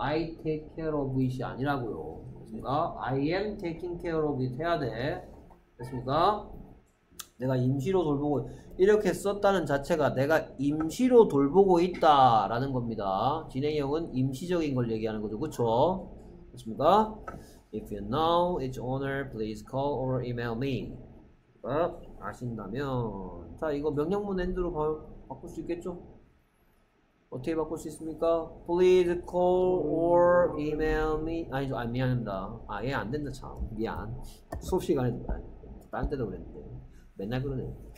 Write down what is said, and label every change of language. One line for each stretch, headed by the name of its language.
English: I take care of it이 아니라고요.
Korean: 그렇습니까?
English: I am taking care of it 해야 돼. 그렇습니까?
Korean: 내가 임시로 돌보고, 이렇게 썼다는 자체가 내가 임시로 돌보고 있다라는 겁니다. 진행형은 임시적인 걸 얘기하는 거죠. 그렇죠? 그렇습니까?
English: If you know its owner, please call or email me.
Korean: 아신다면. 자, 이거 명령문 엔드로 바꿀 수 있겠죠? 어떻게 바꿀 수 있습니까?
English: Please call or email me.
Korean: 아니죠, 아, 미안합니다. 아, 얘안 된다, 참. 미안. 수업 시간에도 딴 때도 그랬는데. 맨날 그러네.